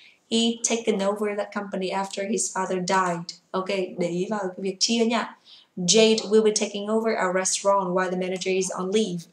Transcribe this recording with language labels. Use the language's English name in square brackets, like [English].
[English] He taken over that company after his father died. [Vietnamese] Ok, để ý vào cái việc chia nha. [English] Jade will be taking over our restaurant while the manager is on leave.